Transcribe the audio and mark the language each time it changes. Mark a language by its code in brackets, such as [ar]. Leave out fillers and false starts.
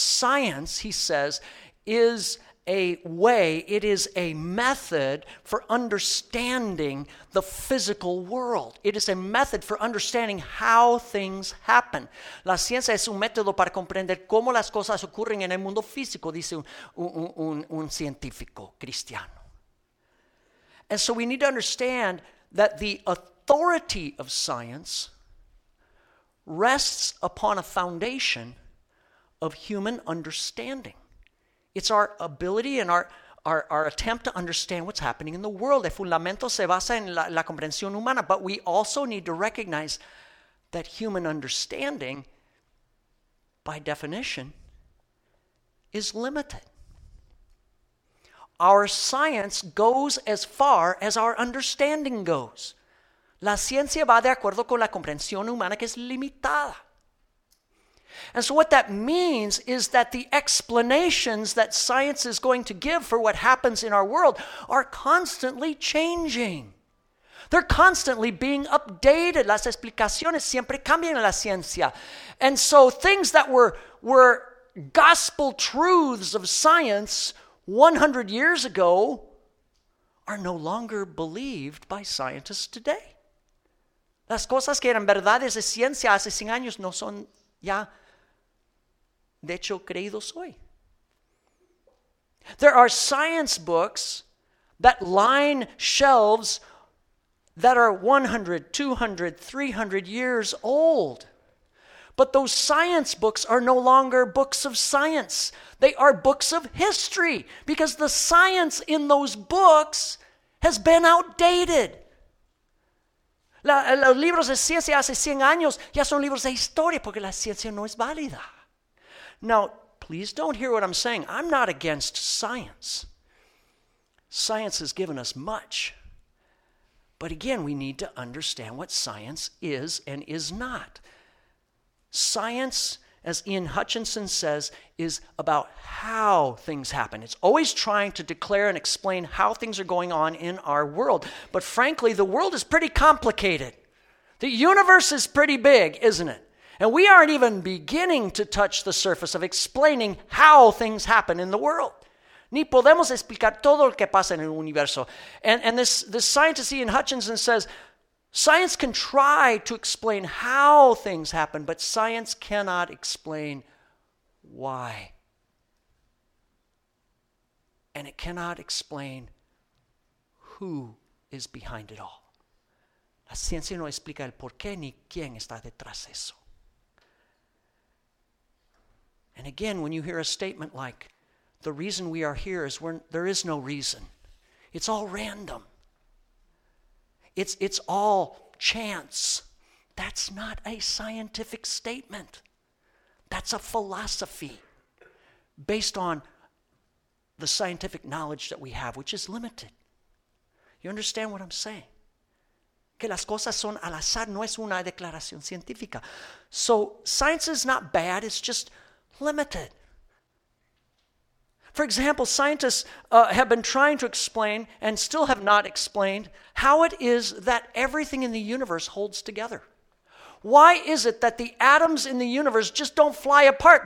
[en] Science, he says, is a way, it is a method for understanding the physical world. It is a method for understanding how things happen. [es] La ciencia es un método para comprender cómo las cosas ocurren en el mundo físico, dice un científico cristiano. [en] And so we need to understand that the authority of science rests upon a foundation of human understanding. It's our ability and our attempt to understand what's happening in the world. [es] El fundamento se basa en la comprensión humana. [en] But we also need to recognize that human understanding, by definition, is limited. Our science goes as far as our understanding goes. [es] La ciencia va de acuerdo con la comprensión humana que es limitada. [en] And so what that means is that the explanations that science is going to give for what happens in our world are constantly changing. They're constantly being updated. [es] Las explicaciones siempre cambian en la ciencia. [en] And so things that were gospel truths of science 100 years ago are no longer believed by scientists today. [es] Las cosas que eran verdades de ciencia hace 100 años no son ya de hecho creídos hoy. [en] There are science books that line shelves that are 100, 200, 300 years old. But those science books are no longer books of science. They are books of history because the science in those books has been outdated. [es] Los libros de ciencia hace 100 años ya son libros de historia porque la ciencia no es válida. [en] Now, please don't hear what I'm saying. I'm not against science. Science has given us much. But again, we need to understand what science is and is not. Science, as Ian Hutchinson says, is about how things happen. It's always trying to declare and explain how things are going on in our world. But frankly, the world is pretty complicated. The universe is pretty big, isn't it? And we aren't even beginning to touch the surface of explaining how things happen in the world. [es] Ni podemos explicar todo lo que pasa en el universo. [en] And this scientist Ian Hutchinson says, science can try to explain how things happen, but science cannot explain why. And it cannot explain who is behind it all. [es] La ciencia no explica el por qué ni quién está detrás de eso. [en] And again, when you hear a statement like, the reason we are here is there is no reason. It's all random. It's all chance. That's not a scientific statement. That's a philosophy based on the scientific knowledge that we have, which is limited. You understand what I'm saying? [es] Que las cosas son al azar no es una declaración científica. [en] So science is not bad, it's just limited. For example, scientists have been trying to explain and still have not explained how it is that everything in the universe holds together. Why is it that the atoms in the universe just don't fly apart?